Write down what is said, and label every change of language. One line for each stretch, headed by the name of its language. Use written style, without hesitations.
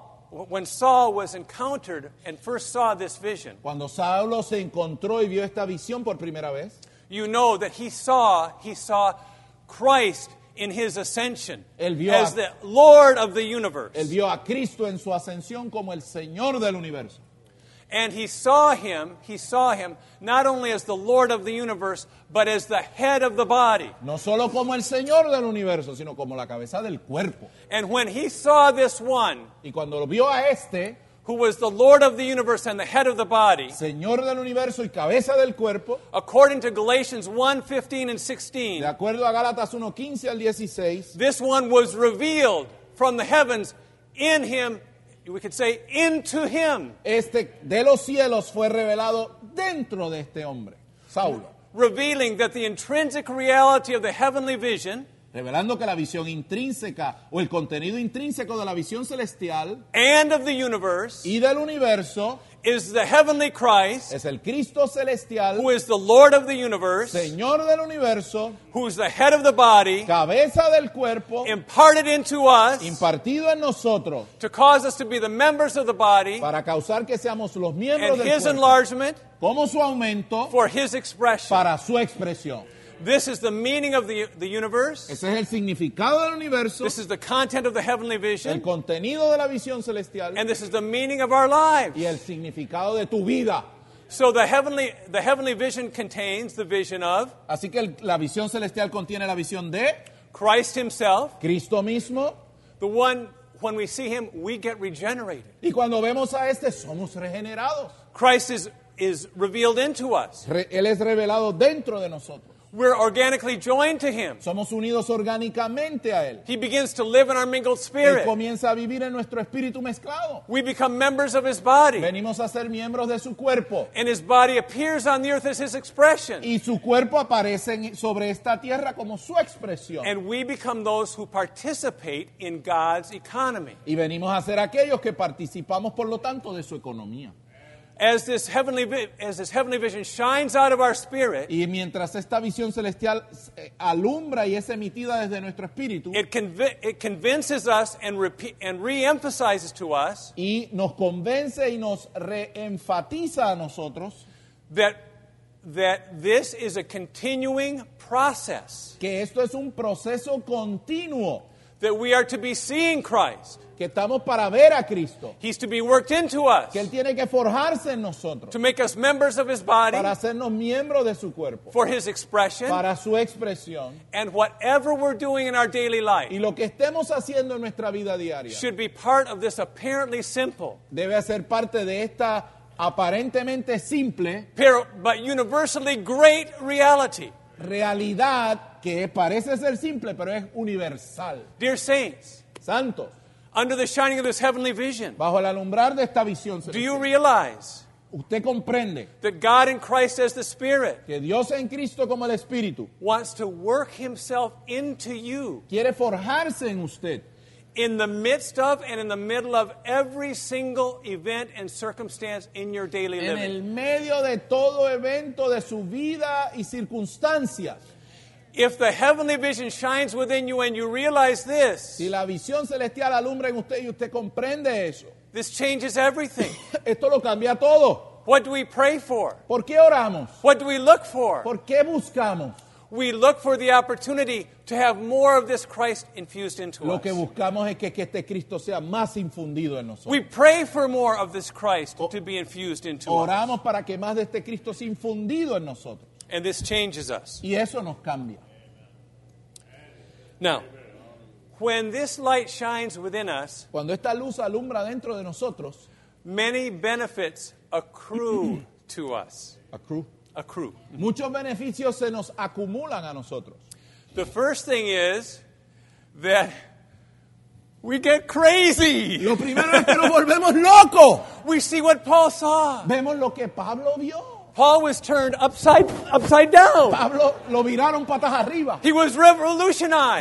English: When Saul was encountered and first saw this vision.
Spanish: Cuando Saulo se encontró y vio esta visión por primera vez.
English: You know that he saw Christ in his ascension.
Spanish: Él vio
English: as the Lord of the universe.
Spanish: Él vio a Cristo en su ascensión como el Señor del universo.
English: And he saw him not only as the Lord of the universe, but as the head of the body.
Spanish: No solo como el Señor del universo, sino como la cabeza del cuerpo.
English: And when he saw this one,
Spanish: y cuando lo vio a este,
English: who was the Lord of the universe and the head of the body,
Spanish: Señor del universo y cabeza del cuerpo,
English: according to Galatians 1:15-16,
Spanish: de acuerdo a Gálatas 1:15-16,
English: this one was revealed from the heavens in him. We could say into him.
Spanish: Este de los cielos fue revelado dentro de este hombre, Saulo.
English: Revealing that the intrinsic reality of the heavenly vision.
Spanish: Revelando que la visión intrínseca o el contenido intrínseco de la visión celestial.
English: And of the universe.
Spanish: Y del universo.
English: Is the heavenly Christ.
Spanish: Es el Cristo celestial.
English: Who is the Lord of the universe.
Spanish: Señor del universo.
English: Who is the head of the body.
Spanish: Cabeza del cuerpo.
English: Imparted into us.
Spanish: Impartido en nosotros.
English: To cause us to be the members of the body.
Spanish: Para causar que seamos los miembros del cuerpo.
English: And his enlargement.
Spanish: Como su aumento.
English: For his expression.
Spanish: Para su expresión.
English: This is the meaning of the universe.
Spanish: Ese es el significado del universo.
English: This is the content of the heavenly vision.
Spanish: El contenido de la visión celestial.
English: And this is the meaning of our lives.
Spanish: Y el significado de tu vida.
English: So the heavenly vision contains the vision of.
Spanish: Así que la visión celestial contiene la visión de.
English: Christ himself.
Spanish: Cristo mismo.
English: The one when we see him, we get regenerated.
Spanish: Y cuando vemos a este, somos regenerados.
English: Christ is revealed into us.
Spanish: Él es revelado dentro de nosotros.
English: We're organically joined to him.
Spanish: Somos unidos orgánicamente a él.
English: He begins to live in our mingled spirit.
Spanish: Él comienza a vivir en nuestro espíritu mezclado.
English: We become members of his body.
Spanish: Venimos a ser miembros de su cuerpo.
English: And his body appears on the earth as his expression.
Spanish: Y su cuerpo aparece sobre esta tierra como su expresión.
English: And we become those who participate in God's economy.
Spanish: Y venimos a ser aquellos que participamos, por lo tanto, de su economía.
English: As this heavenly vision shines out of our spirit,
Spanish: y mientras esta visión celestial alumbra y es emitida desde nuestro espíritu,
English: it convinces us and re-emphasizes to us,
Spanish: y nos convence y nos reenfatiza a nosotros,
English: that this is a continuing process,
Spanish: que esto es un proceso continuo,
English: that we are to be seeing Christ.
Spanish: Que estamos para ver a Cristo.
English: He's to be worked into us.
Spanish: Que él tiene que forjarse en nosotros.
English: To make us members of his body.
Spanish: Para hacernos miembros de su cuerpo.
English: For his expression.
Spanish: Para su expresión.
English: And whatever we're doing in our daily life.
Spanish: Y lo que estemos haciendo en nuestra vida diaria.
English: Should be part of this apparently simple.
Spanish: Debe ser parte de esta aparentemente simple.
English: But universally great reality.
Spanish: Realidad que parece ser simple, pero es universal.
English: Dear saints.
Spanish: Santos.
English: Under the shining of this heavenly vision.
Spanish: Bajo el alumbrar de esta visión celestial.
English: Do you realize?
Spanish: ¿Usted comprende?
English: That God in Christ as the Spirit.
Spanish: Que Dios en Cristo como el Espíritu.
English: Wants to work himself into you.
Spanish: Quiere forjarse en usted.
English: In the midst of and in the middle of every single event and circumstance in your daily living.
Spanish: En el medio de todo evento de su vida y circunstancias.
English: If the heavenly vision shines within you and you realize this,
Spanish: si la visión celestial alumbra en usted y usted comprende eso,
English: this changes everything.
Spanish: Esto lo cambia todo.
English: What do we pray for?
Spanish: ¿Por qué oramos?
English: What do we look for?
Spanish: ¿Por qué buscamos?
English: We look for the opportunity to have more of this Christ infused into us.
Spanish: Lo que buscamos es que este Cristo sea más infundido en nosotros.
English: We pray for more of this Christ to be infused into us.
Spanish: Oramos para que más de este Cristo sea infundido en nosotros.
English: And this changes us.
Spanish: Y eso nos cambia.
English: Now, when this light shines within us,
Spanish: cuando esta luz alumbra dentro de nosotros,
English: many benefits accrue to us. Accrue.
Spanish: Muchos beneficios se nos acumulan a nosotros.
English: The first thing is that we get crazy.
Spanish: Lo primero es que nos volvemos loco.
English: We see what Paul saw.
Spanish: Vemos lo que Pablo vio.
English: Paul was turned upside down.
Spanish: Pablo lo miraron patas arriba.
English: He was revolutionized.